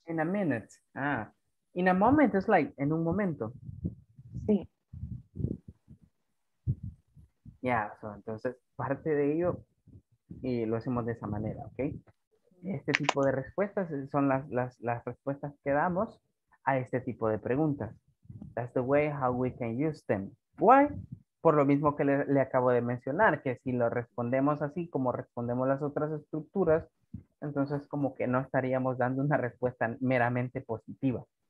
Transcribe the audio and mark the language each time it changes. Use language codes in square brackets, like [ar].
[en] In a minute, ah. In a moment es like [es] en un momento. Sí. Ya, yeah, so, entonces parte de ello y lo hacemos de esa manera, ¿ok? Este tipo de respuestas son las respuestas que damos a este tipo de preguntas. [en] That's the way how we can use them. Why? [es] Por lo mismo que le acabo de mencionar, que si lo respondemos así como respondemos las otras estructuras, entonces como que no estaríamos dando una respuesta meramente positiva.